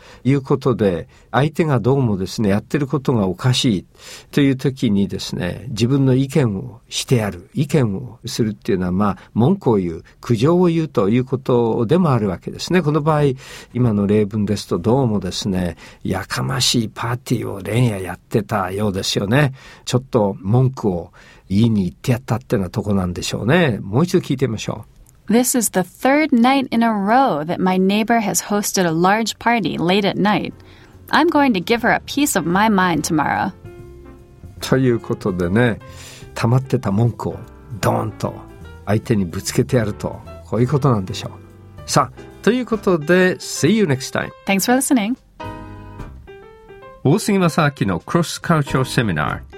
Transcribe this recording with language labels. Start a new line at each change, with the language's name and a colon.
Japanese: いうことで相手がどうもですねやってることがおかしいという時にですね自分の意見をしてやる意見をするっていうのはまあ文句を言う苦情を言うということでもあるわけですね。この場合今の例文ですとどうもですねやかましいパーティーを連夜やってたようですよね。ちょっと文句を言いに行ってやったってなとこなんでしょうね。もう一度聞いてみましょう。
English: This is the third night in a row that my neighbor has hosted a large party late at night. I'm going to give her a piece of my mind tomorrow.
Japanese: ということでね、溜まってた文句をドーンと相手にぶつけてやると、こういうことなんでしょう。さあ、ということで、
English: See you next time. Thanks for listening.
Japanese: 大杉正明のクロスカルチャーセミナー。